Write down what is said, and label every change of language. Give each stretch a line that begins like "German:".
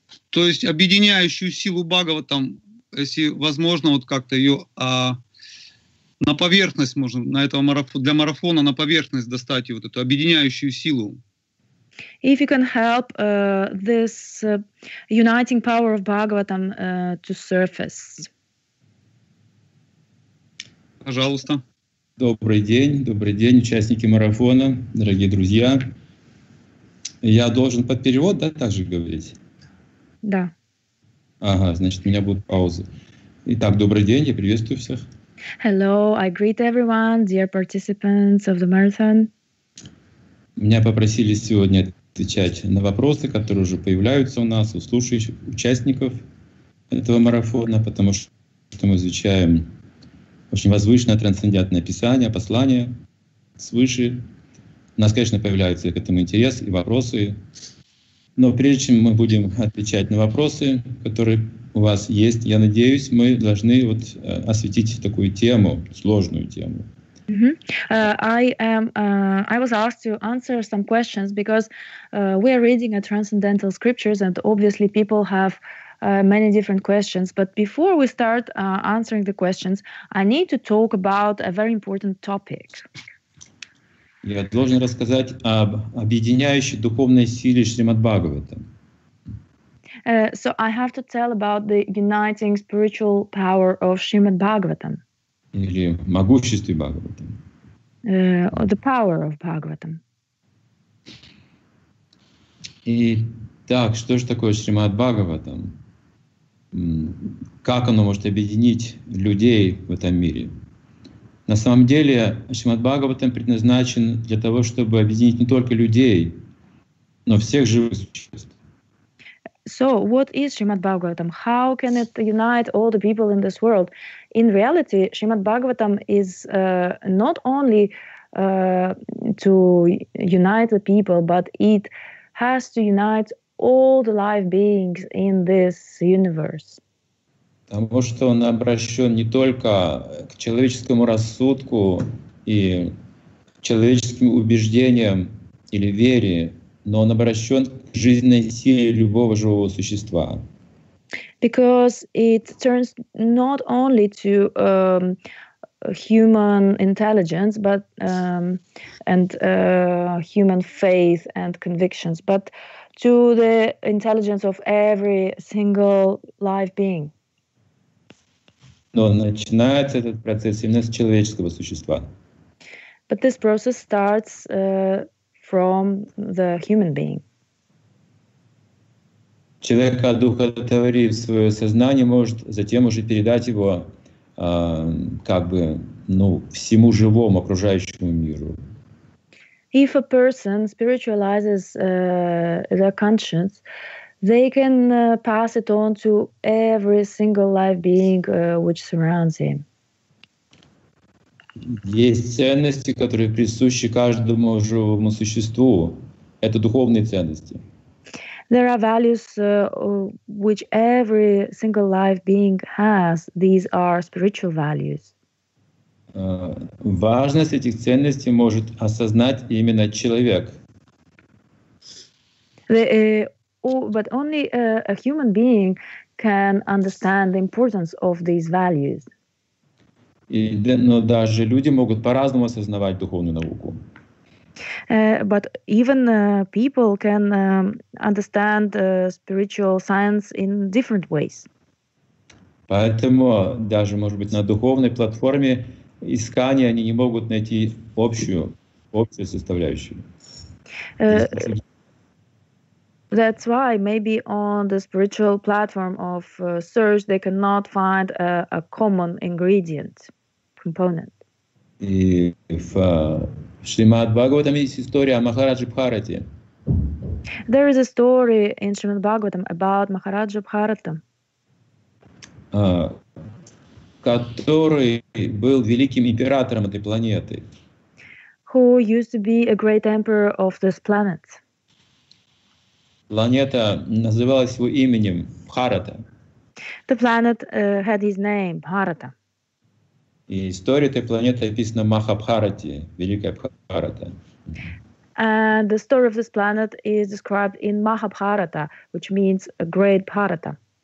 Russian: То есть объединяющую силу Бхагаватам, если возможно, вот как-то ее на поверхность можно на этого марафона, для марафона на поверхность достать ее, вот эту объединяющую силу.
English: If you can help this uniting power of Bhagavatam to surface.
Russian: Пожалуйста. Добрый день, участники марафона, дорогие друзья. Я должен под перевод, да, также говорить? Да. Ага, значит, у меня будут паузы. Итак, добрый день, я приветствую всех.
English: Hello, I greet everyone, dear participants of the marathon.
Russian: Меня попросили сегодня отвечать на вопросы, которые уже появляются у нас, у слушающих, участников этого марафона, потому что мы изучаем очень возвышенное трансцендентное писание, послание свыше. У нас, конечно, появляются к этому интерес и вопросы. Но прежде чем мы будем отвечать на вопросы, которые у вас есть, я надеюсь, мы должны вот осветить такую тему, сложную тему.
English: I was asked to answer some questions because we are reading a transcendental scriptures and obviously people have many different questions. But before we start answering the questions, I need to talk about a very important topic.
Russian: Я должен рассказать об объединяющей духовной силе Шримад-Бхагаватам.
English: So I have to tell about the uniting spiritual power of Шримад-Бхагаватам.
Russian: Или могуществе Бхагаватам.
English: The power of Бхагаватам.
Russian: И так, что же такое Шримад-Бхагаватам? как оно может объединить людей в этом мире. На самом деле Шримад-Бхагаватам предназначен для того, чтобы объединить не только людей, но всех живых существ.
English: So, what is Srimad Bhagavatam? How can it unite all the people in this world? In reality, Srimad Bhagavatam is not only to unite the people, but it has to unite all the life beings in this universe.
Russian: Потому что он обращен не только к человеческому рассудку и человеческим убеждениям или вере, но он обращен к жизненной силе любого живого существа.
English: Because it turns not only to human intelligence, but human faith and convictions, but to the intelligence of every single life being.
Russian: Но начинается этот процесс именно с человеческого существа.
English: But this process starts from the human being.
Russian: Человек одухотворив свое сознание может затем уже передать его как бы, ну, всему живому окружающему миру.
English: If a person spiritualizes their conscience, they can pass it on to every single life being which surrounds him.
Russian: Есть ценности, которые присущи каждому живому существу. Это духовные ценности.
English: There are values which every single life being has. These are spiritual values.
Russian: Важность этих ценностей может осознать именно человек.
English: But only a human being can understand the importance of these values.
Russian: Но даже люди могут по-разному осознавать духовную науку.
English: But even people can understand spiritual science in different ways.
Russian: Поэтому даже, может быть, на духовной платформе искания они не могут найти общую составляющую.
English: That's why maybe on the spiritual platform of search they cannot find a common ingredient. Component.
Russian: И в Шримад-Бхагаватам есть история о Махараджи Бхарате.
English: There is a story in Шримад-Бхагаватам about Махараджа Бхарата,
Russian: который был великим императором этой планеты.
English: Who used to be a great emperor of this planet.
Russian: Планета называлась его именем Бхарата.
English: The planet had his name Бхарата.
Russian: И история этой планеты описана в Махабхарате, Великая Бхарата.
English: And the story of this planet is described in Mahabharata, which means a great Bharata.